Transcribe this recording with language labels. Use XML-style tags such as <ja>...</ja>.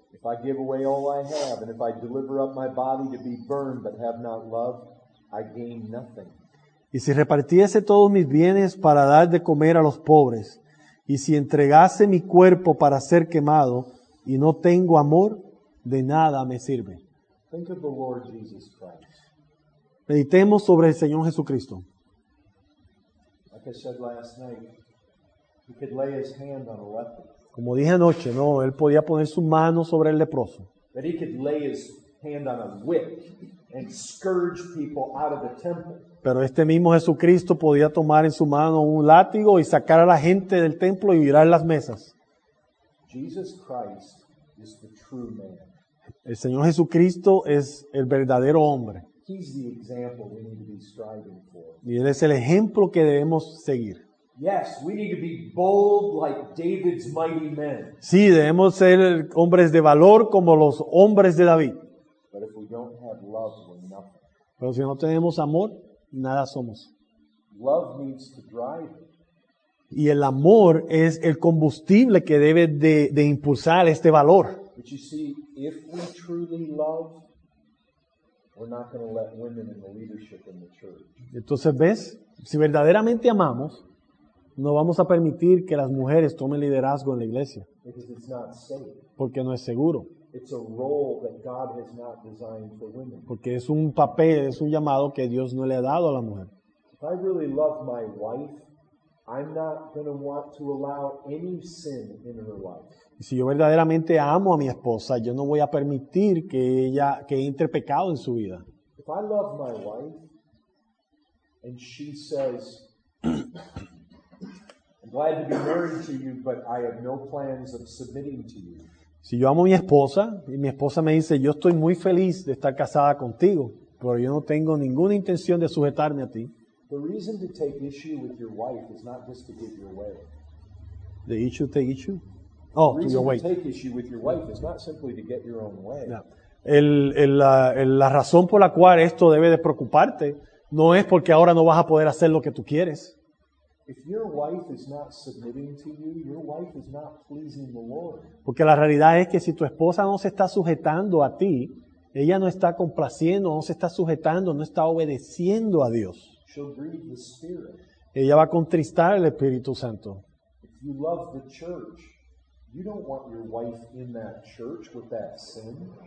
<en>"If I give away all I have, and if I deliver up my body to be burned, but have not love, I gain nothing."</en> <es>"Y si repartiese todos mis bienes para dar de comer a los pobres, y si entregase mi cuerpo para ser quemado, y no tengo amor, de nada me sirve."</es> <en>Think of the Lord Jesus Christ.</en> <es>Meditemos sobre el Señor Jesucristo.</es> <en>Like I said last night, he could lay his hand on a leper.</en> <es>Como dije anoche, no, él podía poner su mano sobre el leproso.</es> <en>That he could lay his hand on a whip and scourge people out of the temple.</en> <es>Pero este mismo Jesucristo podía tomar en su mano un látigo y sacar a la gente del templo y virar las mesas.</es> <en>Jesus Christ is the true man.</en> <es>El Señor Jesucristo es el verdadero hombre.</es> <en>He's the example we need to be striving for.</en> <es>Y él es el ejemplo que debemos seguir.</es> <en>Yes, we need to be bold like David's mighty men.</en> <es>Sí, debemos ser hombres de valor como los hombres de David.</es> <en>But if we don't have love, we're nothing.</en> <es>Pero si no tenemos amor, nada somos.</es> <en>Love needs to drive it.</en> <es>Y el amor es el combustible que debe de impulsar este valor. Entonces, ¿ves? Si verdaderamente amamos, no vamos a permitir que las mujeres tomen liderazgo en la iglesia.</es> <en>Because it's not safe.</en> <es>Porque no es seguro.</es> <en>It's a role that God has not designed for women.</en> <es>Porque es un papel, es un llamado que Dios no le ha dado a la mujer.</es> <en>If I really love my wife, I'm not going to want to allow any sin in her life.</en> <es>Si yo verdaderamente amo a mi esposa, yo no voy a permitir que ella que entre pecado en su vida.</es> <en>If I love my wife and she says, "I'm glad to be married to you, but I have no plans of submitting to you."</en> <es>Si yo amo a mi esposa y mi esposa me dice, "Yo estoy muy feliz de estar casada contigo." pero yo no tengo ninguna intención de sujetarme a ti.</es> <en>The reason to take issue with your wife is not just to get your way. The issue to take issue? Oh, to your way. The reason to take issue with your wife is not simply to get your own way. No.</en> <es>La razón por la cual esto debe de preocuparte no es porque ahora no vas a poder hacer lo que tú quieres.</es> <en>If your wife is not submitting to you, your wife is not pleasing the Lord.</en> <es>Porque la realidad es que si tu esposa no se está sujetando a ti, ella no está complaciendo, no se está sujetando, no está obedeciendo a Dios.</es> <en>She'll grieve the Spirit.</en> <es>Ella va a contristar al Espíritu Santo.</es> <en>If you love the church, you don't want your wife in that church with that sin.</en>